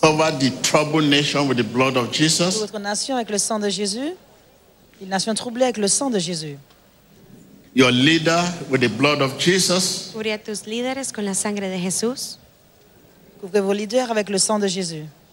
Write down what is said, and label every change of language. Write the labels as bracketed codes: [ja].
[en] Cover the troubled nation with the blood of Jesus. [fr] Votre nation avec le sang de Jésus. Une nation troublée avec le sang de Jésus. [en] Your leader with the blood of Jesus. [es] Cubre a tus líderes con la sangre de Jesús. Cubre [fr] vos leaders avec le sang de Jésus.